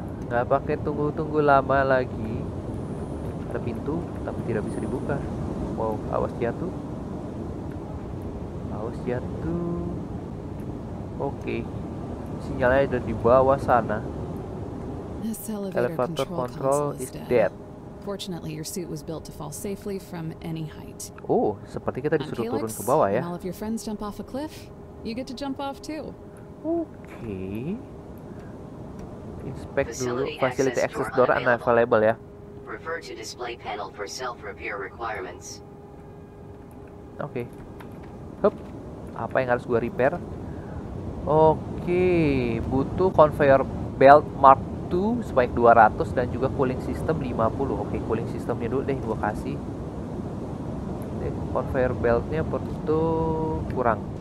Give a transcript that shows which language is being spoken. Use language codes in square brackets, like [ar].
[id] Gak pakai tunggu-tunggu lama lagi. Ada pintu, tapi tidak bisa dibuka. Wow, awas jatuh. Awas jatuh. Oke. Sinyalnya ada di bawah sana. [en] Elevator control is dead. Fortunately, your suit was built to fall safely from any height. [id] Oh, seperti kita disuruh turun ke bawah ya. [en] When all of your friends jump off a cliff, you get to jump off too. Okay. Inspect dulu facility access door unavailable ya. Refer to display panel for self-repair requirements. Okay. Hup. [id] Apa yang harus gua repair? Okay. Butuh conveyor belt mark 2 sebanyak 200 dan juga cooling system 50. Oke, cooling systemnya dulu deh gua kasih. Deh, conveyor beltnya perlu kurang.